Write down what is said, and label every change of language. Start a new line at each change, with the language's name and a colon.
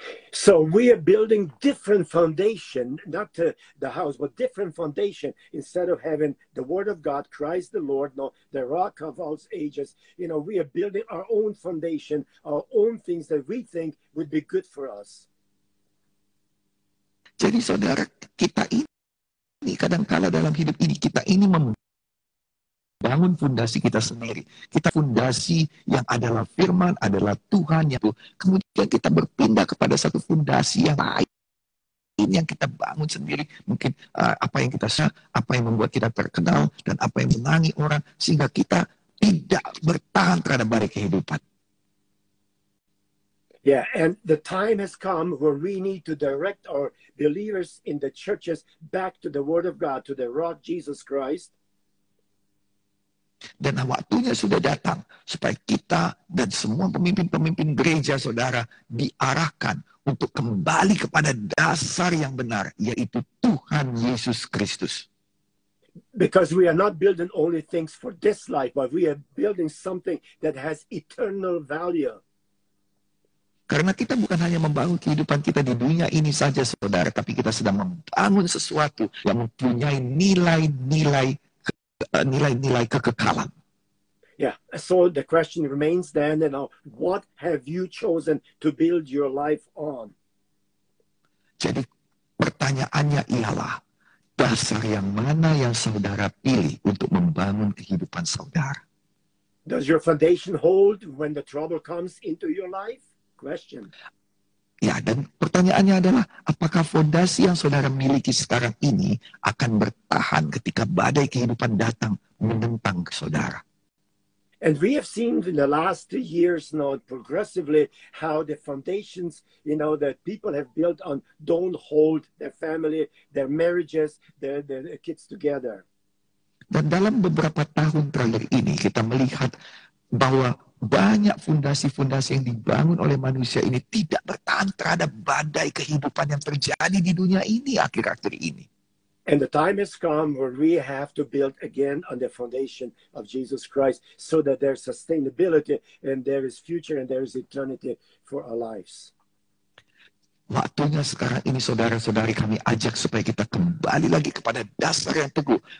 English: So we are building different foundation, not the house, but different foundation instead of having the word of God, Christ the Lord, no, the rock of all ages. You know, we are building our own foundation, our own things that we think would be good for us.
Indonesian: Jadi saudara, kita ini kadangkala dalam hidup ini, kita ini membangun fondasi kita sendiri. Kita fondasi yang adalah firman, adalah Tuhan. Kemudian kita berpindah kepada satu fondasi yang lain yang kita bangun sendiri. Mungkin apa yang kita sayang, apa yang membuat kita terkenal, dan apa yang menangi orang. Sehingga kita tidak bertahan terhadap badai kehidupan.
English: Yeah, and the time has come where we need to direct our believers in the churches back to the word of God, to the rock Jesus Christ.
Indonesian: Dan waktunya sudah datang supaya kita dan semua pemimpin-pemimpin gereja, saudara, diarahkan untuk kembali kepada dasar yang benar, yaitu Tuhan Yesus Kristus.
English: Because we are not building only things for this life, but we are building something that has eternal value.
Indonesian: Karena kita bukan hanya membangun kehidupan kita di dunia ini saja, saudara, tapi kita sedang membangun sesuatu yang mempunyai nilai-nilai kekekalan.
English: Yeah, so the question remains then, you know, what have you chosen to build your life on?
Indonesian: Jadi pertanyaannya ialah, dasar yang mana yang saudara pilih untuk membangun kehidupan saudara?
English: Does your foundation hold when the trouble comes into your life? Question.
Indonesian: Ya, dan pertanyaannya adalah, apakah fondasi yang saudara miliki sekarang ini akan bertahan ketika badai kehidupan datang menentang saudara?
English: And we have seen in the last 2 years, you know, progressively how the foundations, you know, that people have built on don't hold their family, their marriages, their kids together.
Indonesian: Dan dalam beberapa tahun terakhir ini kita melihat bahwa banyak fondasi-fondasi yang dibangun oleh manusia ini tidak bertahan terhadap badai kehidupan yang terjadi di dunia ini akhir-akhir ini.
English: And the time has come where we have to build again on the foundation of Jesus Christ so that there's sustainability and there is future and there is eternity for our lives.
Indonesian: Waktunya sekarang ini, saudara-saudari, kami ajak supaya kita kembali lagi kepada dasar yang teguh.